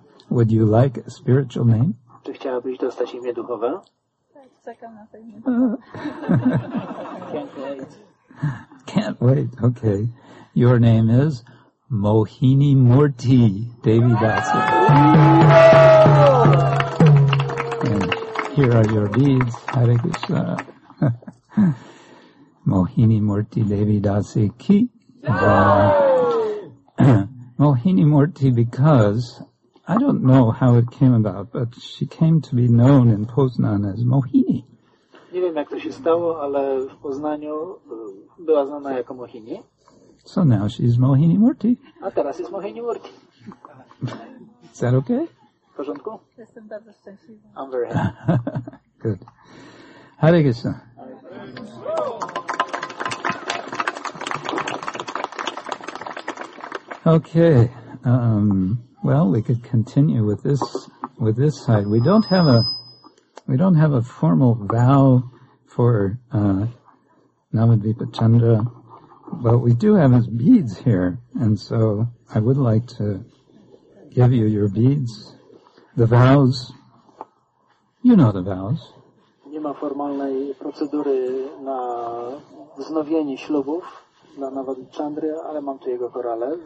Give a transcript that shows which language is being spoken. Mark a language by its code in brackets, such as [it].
[en] Would you like a spiritual name? [pl] Czy chciałabyś dostać imię duchowe? Tak, czekam na to imię. [en] Can't wait. Can't wait, okay. Your name is Mohini Murti Devi Dasa. And here are your deeds, Hare Krishna. Mohini Murti Devi Dasa ki. Mohini Murti because, I don't know how it came about, but she came to be known in Poznan as Mohini. [pl] Nie wiem, jak to się stało, ale w Poznaniu była znana jako Mohini. [en] So now she's Mohini Murti. [pl] A teraz jest Mohini Murti. [en] Is that okay? [pl] W porządku? Jestem bardzo szczęśliwa. [en] I'm very happy. Good. Hare Krishna. Okay. Well, we could continue with this side. We don't have a formal vow for Namadvipa Chandra, but we do have his beads here, and so I would like to give you your beads. The vows, you know the vows. [pl] Nie ma formalnej procedury na wznowienie ślubów na Namadvipa Chandra, ale mam tu jego korale.